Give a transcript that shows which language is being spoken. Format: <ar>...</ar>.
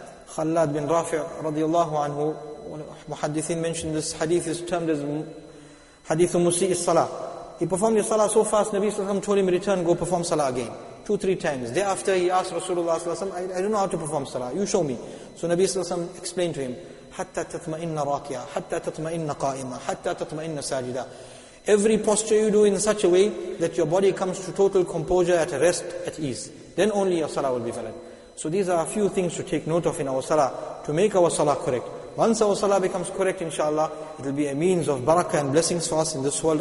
<en>Khalad bin Rafi' radiallahu anhu, muhaddithin mentioned this hadith is termed as hadith musi' salah. He performed his salah so fast, Nabi Sallallahu Alaihi Wasallam told him, return, go perform salah again. 2-3 times. Thereafter he asked Rasulullah Sallallahu Alaihi Wasallam, I don't know how to perform salah, you show me. So Nabi Sallallahu Alaihi Wasallam explained to him,</en> <ar>حَتَّى تَطْمَئِنَّ رَاكِعًا حَتَّى تَطْمَئِنَّ قَائِمًا حَتَّى تَطْمَئِنَّ سَاجِدًا.</ar> <en>Every posture you do in such a way that your body comes to total composure, at rest, at ease. Then only your salah will be valid. So these are a few things to take note of in our salah, to make our salah correct. Once our salah becomes correct, inshallah, it will be a means of barakah and blessings for us in this world.</en>